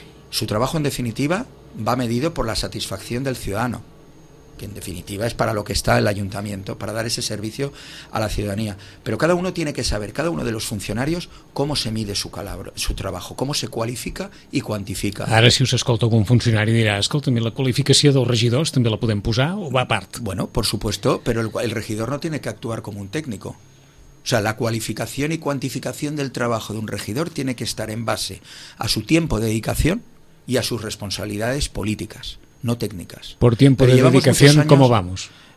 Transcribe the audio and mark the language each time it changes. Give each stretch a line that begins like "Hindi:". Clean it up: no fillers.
Spanish: Su trabajo, en definitiva, va medido por la satisfacción del ciudadano, que en definitiva es para lo que está el ayuntamiento, para dar ese servicio a la ciudadanía. Pero cada uno tiene que saber, cada uno de los funcionarios, cómo se mide su trabajo, cómo se cualifica y cuantifica.
Catalan: Ara, si us escolta algun funcionari, dirà, escolta, la qualificació dels regidors també la podem posar o va a part?
Spanish: Bueno, por supuesto, pero el regidor no tiene que actuar como un técnico. O sea, la cualificación y cuantificación del trabajo de un regidor tiene que estar en base a su tiempo de dedicación y a sus responsabilidades políticas. No técnicas. Por tiempo de dedicación, ¿cómo vamos?